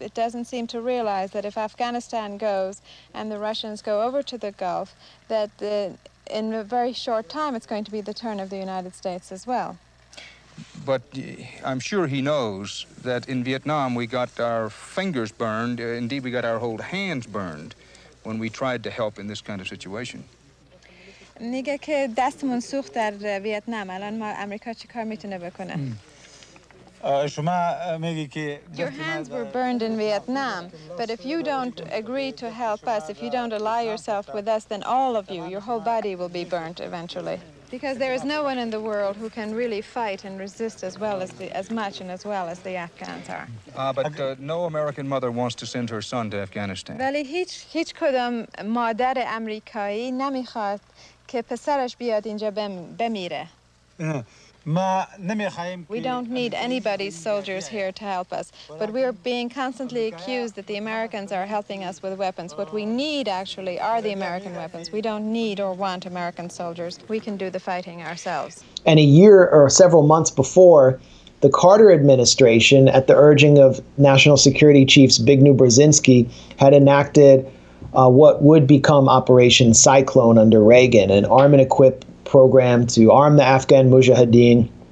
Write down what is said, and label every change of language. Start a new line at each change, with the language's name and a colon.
English: It doesn't seem to realize that if Afghanistan goes and the Russians go over to the Gulf, that in a very short time it's going to be the turn of the United States as well. But I'm sure he knows that in Vietnam we got our fingers burned, indeed we got our whole hands burned, when we tried to help in this kind of situation.
Persian: میگه که دستمون سوخت در ویتنام الان ما امریکا چیکار میتونه بکنه شما میگی که
English: your hands were burned in Vietnam, but if you don't agree to help us, if you don't ally yourself with us, then all of you, your whole body will be burnt eventually, because there is no one in the world who can really fight and resist as much as the Afghans are. But no American mother wants to send her son to Afghanistan.
Persian: ولی هیچ کدام مادر آمریکایی نمیخواد که پسرش بیاد اینجا بمیره. ما نمیخوایم
English: که We don't need anybody's soldiers here to help us, but we are being constantly accused that the Americans are helping us with weapons. What we need actually are the American weapons. We don't need or want American soldiers. We can do the fighting ourselves. And a year or several months before, the Carter administration, at the urging of National Security Chief Zbigniew Brzezinski, had enacted what would become Operation Cyclone under Reagan, an arm and equip program to arm the Afghan Mujahideen.